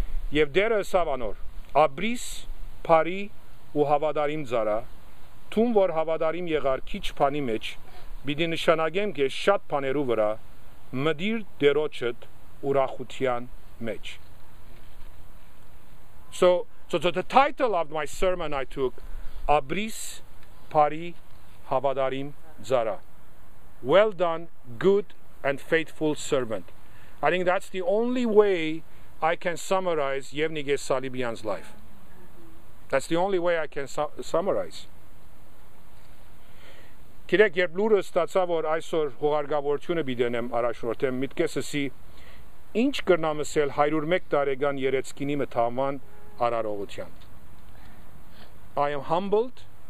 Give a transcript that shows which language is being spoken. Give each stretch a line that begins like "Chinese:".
Armenian: Եվ դերը հասավ անոր, Աբրիս, Փարի ու հավադարիմ ծարա, թուն որ հավադարիմ եղար քիչ բանի մեջ, պիտի նշանակեմ քեզ շատ բաներու վրա, մդիր դերոջդ ուրախության մեջ։
English: So the title of my sermon I took,
Armenian: Աբրիս, Փարի, հավադարիմ ծարա.
English: Well done, good and faithful servant. I think that's the only way I can summarize Yevnige Salibian's life. That's the only way I can summarize.
Armenian: Գիտեք, երբ լուրը ստացա, որ այսօր հուղարգավորությունը բիդենեմ առաջնորդեմ, միտքեսսի, ինչ կրնամսել 101 տարեկան երեցկինի մթաման արարողության.
English: I am humbled.